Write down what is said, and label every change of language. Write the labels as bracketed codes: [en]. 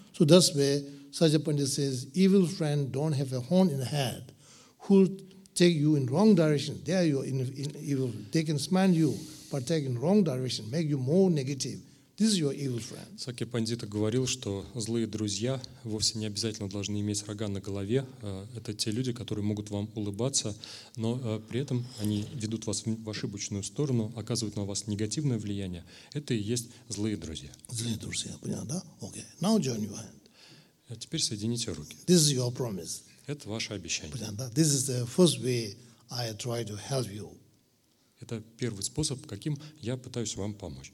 [en] So that's where Sajja Pandit says, evil friend don't have a horn in the head who take you in wrong direction. They are your evil. They can smell you, but take in wrong direction, make you more negative. This is your evil friend. [ru] Сакья Пандита говорил, что злые друзья вовсе не обязательно должны иметь рога на голове. Это те люди, которые могут вам улыбаться, но при этом они ведут вас в ошибочную сторону, оказывают на вас негативное влияние. Это и есть злые друзья. Злые друзья, понятно, да? [en] Okay. Now join your hand. [ru] Теперь соедините руки. [en] This is your promise. [ru] Это ваше обещание. Понятно, да? [en] This is the first way I try to help you. [ru] Это первый способ, каким я пытаюсь вам помочь.